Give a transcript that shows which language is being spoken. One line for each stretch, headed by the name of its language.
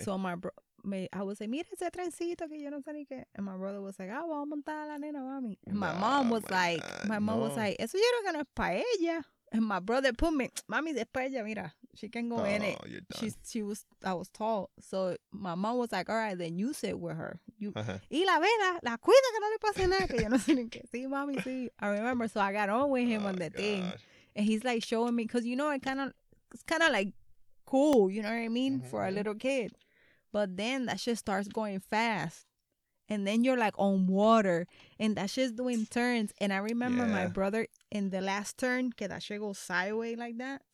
English: So I would say,
Spanish: mira ese trencito que yo no sé ni qué.
English: And my brother was like, ah,
Spanish: voy a montar a la nena, mami.
English: And my mom was like,
Spanish: eso yo no gano es pa' ella.
English: And my brother put me,
Spanish: mami, es pa' ella, mira.
English: She can go in it. I was tall. So my mom was like, all right, then you sit with her. You, uh-huh.
Spanish: Y la vela, la cuida que no le pase nada, que yo no sé ni qué. Sí, mami, sí.
English: I remember. So I got on with him on the thing. And he's like showing me, because, you know, it's kind of like cool, you know what I mean, mm-hmm. for a little kid. But then that shit starts going fast. And then you're like on water. And that shit's doing turns. And I remember my brother in the last turn, que that shit goes sideways like that.